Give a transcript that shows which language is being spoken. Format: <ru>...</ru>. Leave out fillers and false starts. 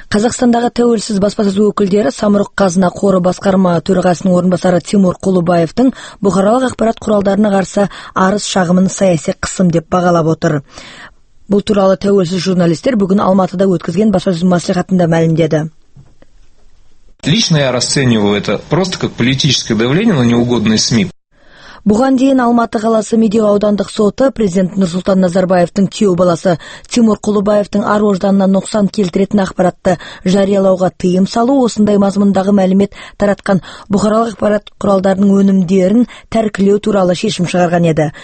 <kk>Қазақстандағы тәуелсіз баспасөз өкілдері Самұрық қазына қоры басқарма төрағасының орынбасары Тимур Құлыбаевтың бұқаралық ақпарат құралдарына қарсы арыз шағымын саяси қысым деп бағалап отыр. Бұл туралы тәуелсіз журналистер бүгін Алматыда өткізген баспасөз мәслихатында мәлімдеді.</kk> <ru>Лично я расцениваю это просто как политическое давление на неугодные СМИ.</ru> <kk>Бұған дейін Алматы қаласы Медеу аудандық соты президент Нұрсұлтан Назарбаевтың күйеубаласы Тимур Құлыбаевтың ар ождағына нұқсан келтіретін ақпаратты жариялауға тыйым салу, осындай мазмұндағы мәлімет таратқан бұқаралық ақпарат құралдарының өнімдерін тәркілеу туралы шешім шығарған еді.</kk>